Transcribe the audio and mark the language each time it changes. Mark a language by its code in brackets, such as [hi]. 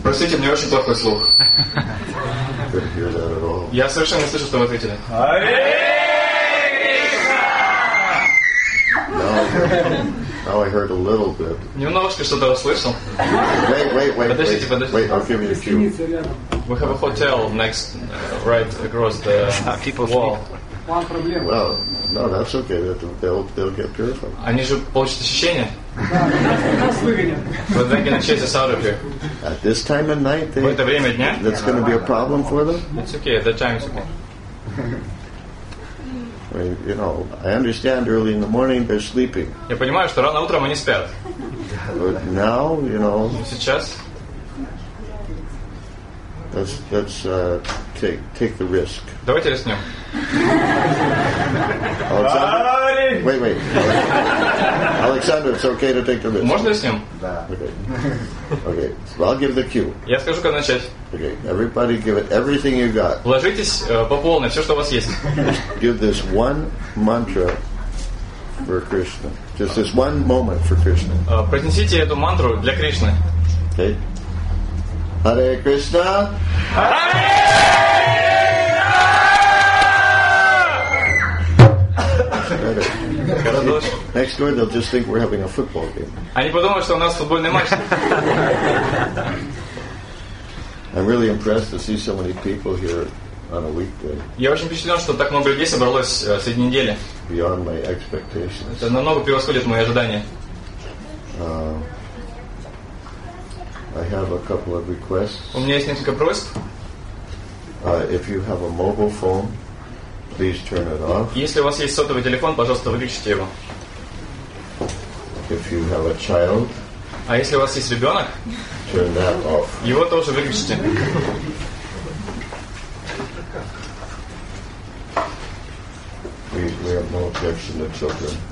[ru] Простите, мне очень плохой слух. [en] I couldn't hear that at all. [ru] Я совершенно не слышу, что вы ответили. [sa] Hare Krishna. [en] Now I heard a little bit. [ru] Немножко что-то услышал. [en] Wait. [ru] Подождите. [en] Wait, I'll give you a cue. We have a hotel next, right across the wall. Well, no, that's okay. They'll get purified. [ru] Они же получат очищение. [en] But they're going to chase us out of here. At this time of night, that's going to be a problem for them? It's okay. At that time, it's okay. You know, I understand early in the morning they're sleeping. [ru] Я понимаю, что рано утром они спят. [en] But now, you know. [ru] Сейчас. [en] Let's take the risk. [ru] Давайте рискнем. [en] Alexander, wait. Alexander, it's okay to take the risk. [ru] Можно рискнем? Да. [en] Okay. So I'll give the cue. [ru] Я скажу, как начать. [en] Okay. Everybody, give it everything you got. [ru] Вложитесь по полной, все, что у вас есть. [en] Give this one mantra for Krishna. Just this one moment for Krishna. [ru] Произнесите эту мантру для Кришны. [sa] Okay. Hare Krishna. Hare Krishna. [en] Next door, they'll just think we're having a football game. [ru] Они подумают, что у нас футбольный матч. [en] I'm really impressed to see so many people here on a weekday. [ru] Я очень впечатлен, что так много людей собралось среди недели. [en] Beyond my expectations. [ru] Это намного превосходит мои ожидания. [en] I have a couple of requests. [ru] У меня есть несколько просьб. [en] If you have a mobile phone, please turn it off. [ru] Если у вас есть сотовый телефон, пожалуйста, выключите его. [en] If you have a child, [ru] а если у вас есть ребенок, [en] turn that off. [ru] Его тоже выключите. [en] We have no objection to children.